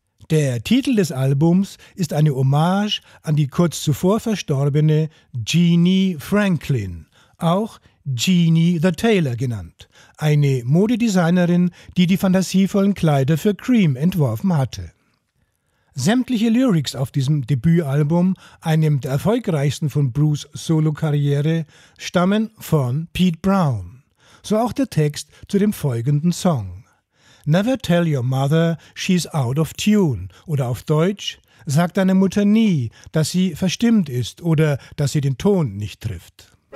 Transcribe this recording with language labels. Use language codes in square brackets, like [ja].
[de] Der Titel des Albums ist eine Hommage an die kurz zuvor verstorbene Jeannie Franklin, auch Jeannie the Tailor genannt, eine Modedesignerin, die die fantasievollen Kleider für Cream entworfen hatte. Sämtliche Lyrics auf diesem Debütalbum, einem der erfolgreichsten von Bruce' Solo-Karriere, stammen von Pete Brown. So auch der Text zu dem folgenden Song. [en] Never tell your mother she's out of tune. [de] Oder auf Deutsch, sag deiner Mutter nie, dass sie verstimmt ist oder dass sie den Ton nicht trifft.